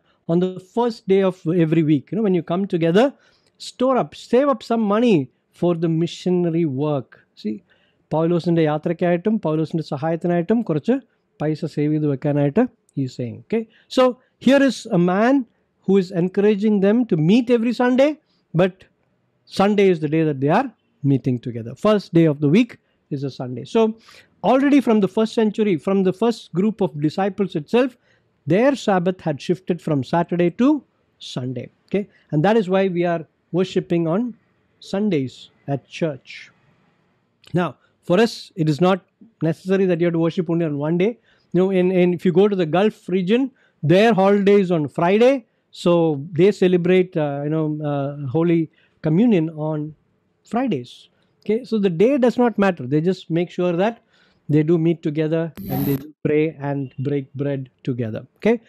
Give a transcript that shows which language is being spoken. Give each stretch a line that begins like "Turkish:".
English: On the first day of every week, you know, when you come together, store up, save up some money for the missionary work.
Malayalam: C പൗലോസിൻ്റെ യാത്രയ്ക്കായിട്ടും പൗലോസിൻ്റെ സഹായത്തിനായിട്ടും കുറച്ച് പൈസ save ചെയ്ത് വെക്കാനായിട്ട് ഈ saying okay.
English: So here is a man who is encouraging them to meet every Sunday, but Sunday is the day that they are meeting together. First day of the week is a Sunday. So already from the first century, from the first group of disciples itself, their Sabbath had shifted from Saturday to Sunday, okay, and that is why we are worshiping on Sundays at church. Now for us it is not necessary that you have to worship only on one day, you know, in if you go to the Gulf region, their holiday is on Friday, so they celebrate Holy Communion on Fridays, okay, so the day does not matter, they just make sure that they do meet together and they do pray and break bread together, okay.